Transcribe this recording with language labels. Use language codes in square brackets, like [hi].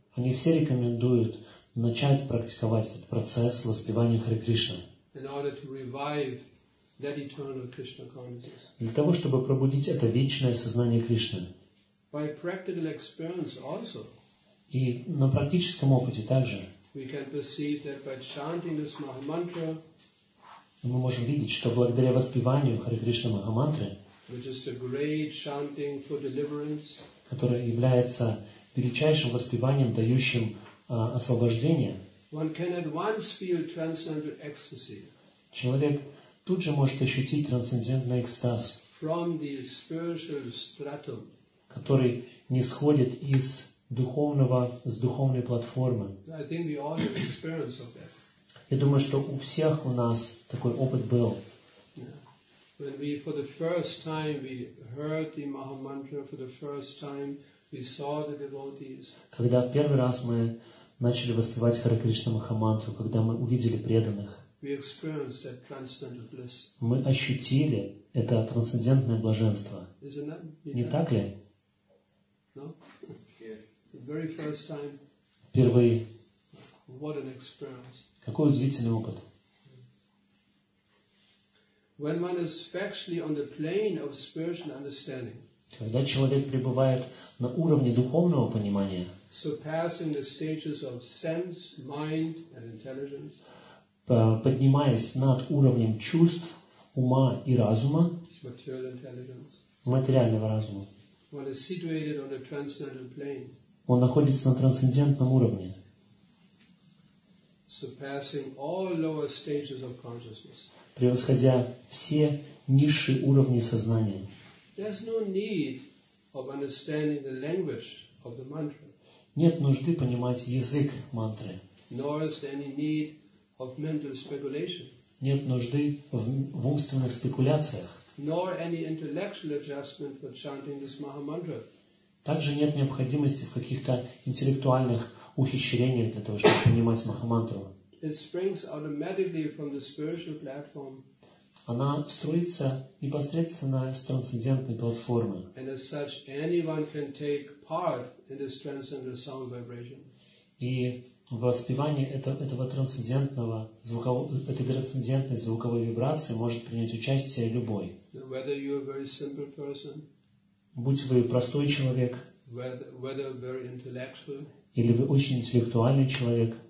[ru] Они все рекомендуют начать практиковать этот процесс воспевания Харе Кришна. [en] In order to revive that eternal Krishna consciousness. [ru] Для того, чтобы пробудить это вечное сознание Кришны. [en] By practical experience also. [ru] И на практическом опыте также [en] we can perceive that by chanting this Mahamantra, [ru] мы можем видеть, что благодаря воспеванию Харе Кришна Махамантры, [en] which is the great chanting for deliverance, [ru] которое является величайшим воспеванием, дающим освобождение, [en] one can at once feel transcendental ecstasy. [ru] Человек тут же может ощутить трансцендентный экстаз, [en] from the spiritual stratum, [ru] который нисходит из духовного, с духовной платформы. [en] I think we all have experience of that. [ru] Я думаю, что у всех у нас такой опыт был. [en] When we for the first time we heard the Mahamantra for the first time, we saw the devotees. [ru] Когда в первый раз мы начали воспевать Харе Кришна Махамантру, когда мы увидели преданных, [en] we experienced that transcendental bliss. [ru] Мы ощутили это трансцендентное блаженство. Не так ли? [en] No? The very first time. [ru] Впервые. [en] What an experience. [ru] Какой удивительный опыт. [en] When one is actually on the plane of spiritual understanding, [ru] когда человек пребывает на уровне духовного понимания, [en] surpassing the stages of sense, mind, and intelligence, [ru] поднимаясь над уровнем чувств, ума и разума, [en] material intelligence, [ru] материального разума, [en] one is situated on a transcendental plane, [ru] он находится на трансцендентном уровне, [en] surpassing all lower stages of consciousness, [ru] превосходя все низшие уровни сознания. [en] There's no need of understanding the language of the mantra. [ru] Нет нужды понимать язык мантры. [en] Nor is there any need of mental speculation. [ru] Нет нужды в умственных спекуляциях. [en] Nor any intellectual adjustment for chanting this Mahamantra. [ru] Также нет необходимости в каких-то интеллектуальных ухищрениях для того, чтобы понимать Махамантру. [en] It springs automatically from the spiritual platform. [ru] Она строится непосредственно с трансцендентной платформы. [en] And as such, anyone can take part in this transcendental sound vibration. [ru] И в воспевании этого трансцендентного этой трансцендентной звуковой вибрации может принять участие любой. [en] Whether you are a very simple person. [ru] Будь вы простой человек. [en] Whether very intellectual. [ru] Или вы очень интеллектуальный человек.